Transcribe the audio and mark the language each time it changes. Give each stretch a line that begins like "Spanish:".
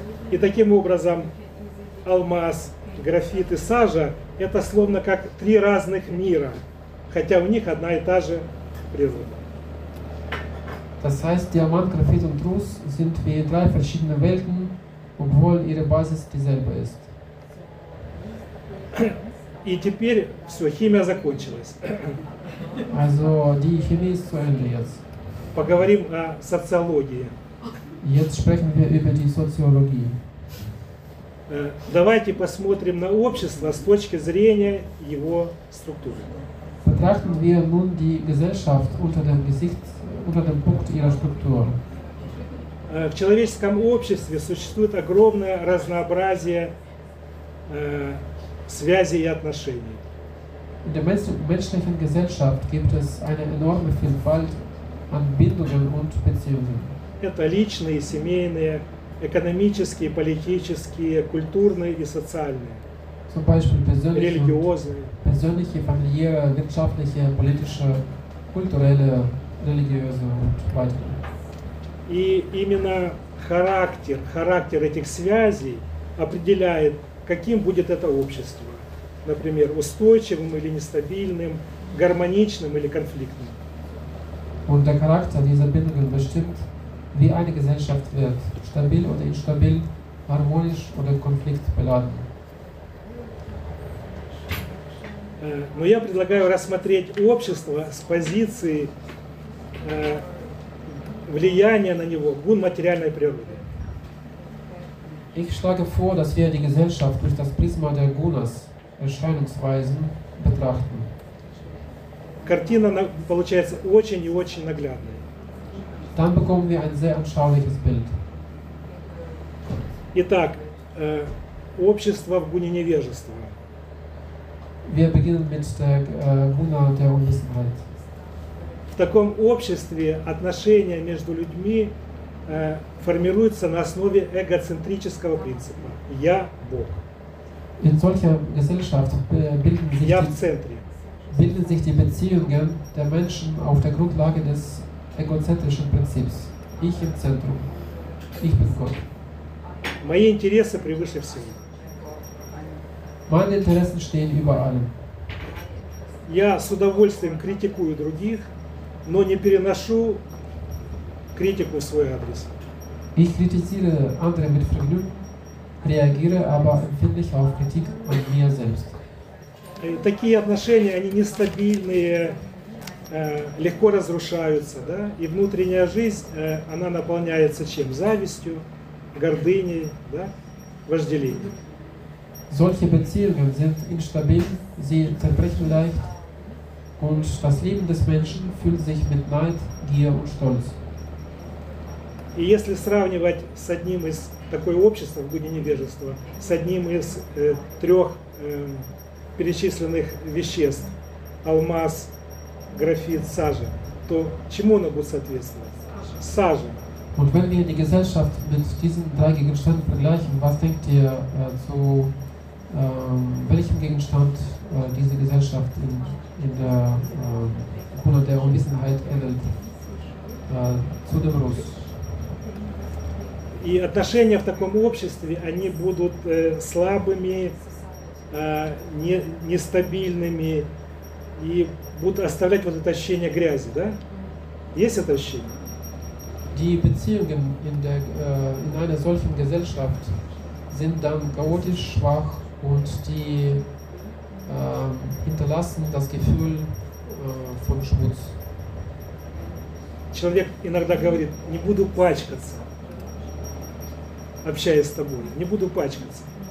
Russian: И таким образом алмаз, графит и сажа – это словно как три разных мира, хотя у них одна и та же природа.
German: Das heißt, Diamant, Graphit und Russ sind wie drei verschiedene Welten, obwohl ihre Basis dieselbe ist.
Russian: И теперь все, химия закончилась.
German: Also, die Chemie ist zu Ende jetzt.
Russian: Поговорим о социологии.
German: Jetzt sprechen wir über die Soziologie.
Russian: Давайте посмотрим на общество с точки зрения его структуры.
German: Betrachten wir nun die Gesellschaft unter dem Gesicht, unter dem Punkt ihrer Struktur.
Russian: В человеческом обществе существует огромное разнообразие связей и отношений.
German: In der menschlichen Gesellschaft gibt es eine enorme Vielfalt an Bindungen und Beziehungen.
Russian: Это личные, семейные, экономические, политические, культурные и социальные.
German: Zum Beispiel persönliche,
Russian: религиозные.
German: Persönliche, familiäre, wirtschaftliche, politische, kulturelle, religiöse und weitere.
Russian: И именно характер, характер этих связей определяет, каким будет это общество. Например, устойчивым или нестабильным, гармоничным или конфликтным.
German: Und der Charakter dieser Bindungen bestimmt, wie eine Gesellschaft wird, stabil oder instabil, harmonisch oder konfliktbeladen.
Russian: Но я предлагаю рассмотреть общество с позиции влияния на него гун материальной природы.
German: Ich schlage vor, dass wir die Gesellschaft durch das Prisma der Gunas, Erscheinungsweisen, betrachten.
Russian: Картина получается очень и очень наглядная.
German: Dann bekommen wir ein sehr anschauliches Bild.
Russian: Итак, общество в гуне невежества.
German: Wir beginnen mit der Guna der Unwissenheit.
Russian: В таком обществе отношения между людьми формируются на основе эгоцентрического принципа. Я – Бог.
German: In solcher Gesellschaft bilden sich,
Russian: я в центре.
German: Bilden sich die Beziehungen der Menschen auf der Grundlage des egozentrischen Prinzips. Ich im Zentrum. Ich bin Gott.
Russian: Мои интересы превыше всего.
German: Meine Interessen stehen über allem.
Russian: Я с удовольствием критикую других, но не переношу критику в свой адрес.
German: Ich kritisiere andere mit Vergnügen, reagiere aber empfindlich auf Kritik an mir selbst.
Russian: такие отношения, они нестабильные, легко разрушаются, да? И внутренняя жизнь, она наполняется чем? Завистью, гордыней, да? Вожделением.
German: Solche Beziehungen sind instabil, sie zerbrechen leicht und das Leben des Menschen füllt sich mit Neid, Gier und Stolz.
Russian: И если сравнивать с одним из такой общества в Гудине невежества, с одним из трех перечисленных веществ, алмаз, графит, сажа, то чему оно будет соответствовать? Сажа.
German: Und wenn wir die Gesellschaft mit diesen drei Gegenständen vergleichen, was denkt ihr zu welchem Gegenstand diese Gesellschaft in der Kultur der Unwissenheit ähnelt? Zu dem Russ.
Russian: И отношения в таком обществе, они будут слабыми, нестабильными и будут оставлять вот это ощущение грязи, да? Есть это ощущение?
German: Die Beziehungen in einer solchen Gesellschaft sind dann chaotisch, schwach und die hinterlassen das Gefühl von Schmutz.
Russian: Человек иногда говорит, не буду пачкаться. Общаясь с тобой, не буду пачкаться.